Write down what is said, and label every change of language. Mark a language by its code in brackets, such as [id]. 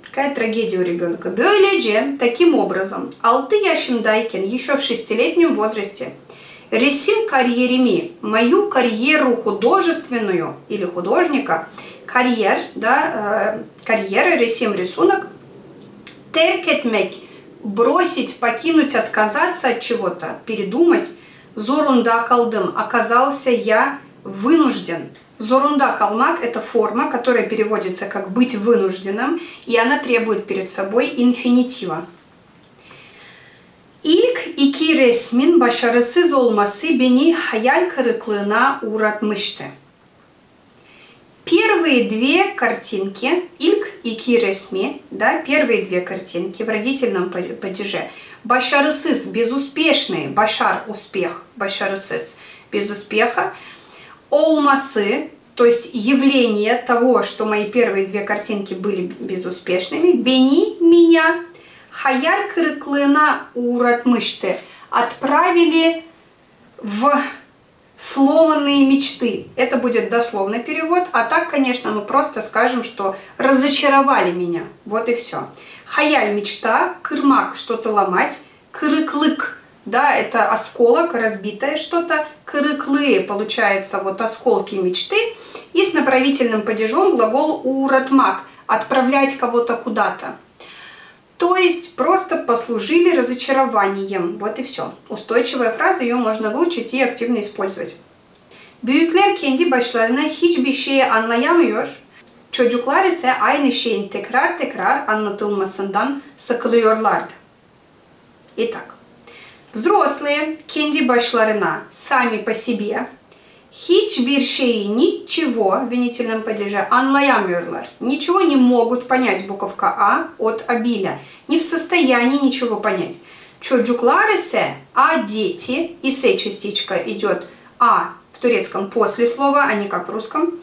[ru] Какая трагедия у ребенка. Бюэледже, таким образом, [tr] алты яшимдайкен, [ru] еще в шестилетнем возрасте, [tr] ресим карьерими, [ru] мою карьеру художественную, или художника, карьер, да, карьера, ресим, рисунок, теркетмек, бросить, покинуть, отказаться от чего-то, передумать, [tr] Zorunda kaldım. [ru] Оказался я вынужден. Zorunda kalmak – это форма, которая переводится как «быть вынужденным», и она требует перед собой инфинитива. [tr] İlk iki resmin başarısız olması beni hayal kırıklığına uğratmıştı. [ru] Первые две картинки, [tr] ilk iki resmi, [ru] да, первые две картинки в родительном падеже. Başarısız, безуспешный, başar, успех, başarısız, без успеха. Olması, то есть явление того, что мои первые две картинки были безуспешными. [tr] Beni, меня. Хаяр кырыклына уратмышты. [ru] Отправили в сломанные мечты. Это будет дословный перевод. А так, конечно, мы просто скажем, что разочаровали меня. Вот и все. Хаяр мечта, кырмак, что-то ломать. Кырыклык, да, это осколок, разбитое что-то. Кырыклые, получается, вот осколки мечты. И с направительным падежом глагол уратмак. Отправлять кого-то куда-то. То есть просто послужили разочарованием. Вот и все. Устойчивая фраза, ее можно выучить и активно использовать. [tr] Büyükler kendi başlarına hiçbir şey anlayamıyor. Çocuklar ise aynı şeyin tekrar tekrar anlatılmasından sıkılıyorlardı. [ru] Итак. Взрослые [tr] kendi başlarına, [ru] сами по себе. [tr] Hiçbir şey, [ru] ничего, в винительном падеже, [tr] anlayamıyorlar, [ru] ничего не могут понять, буковка А от обилия, не в состоянии ничего понять. [tr] Çocuklar ise, [ru] а дети, и се частичка идет А в турецком после слова, а не как в русском.